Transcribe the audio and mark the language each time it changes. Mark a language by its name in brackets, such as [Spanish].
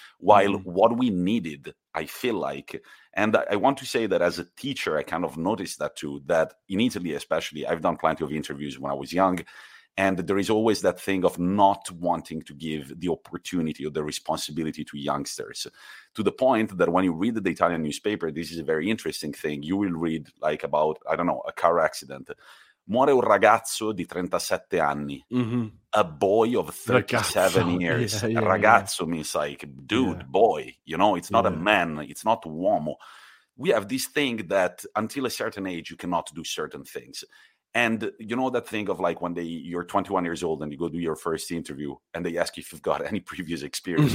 [English] While what we needed, I feel like, and I want to say that as a teacher, I kind of noticed that too, that in Italy especially, I've done plenty of interviews when I was young, and there is always that thing of not wanting to give the opportunity or the responsibility to youngsters, to the point that when you read the Italian newspaper, this is a very interesting thing, you will read like about, I don't know, a car accident. [Italian] Muore un ragazzo di 37 anni, [English] a boy of 37 years. Ragazzo means like dude, boy, you know, it's not a man, it's not uomo. We have this thing that until a certain age, you cannot do certain things. And you know that thing of like one day you're 21 years old and you go do your first interview and they ask you if you've got any previous experience.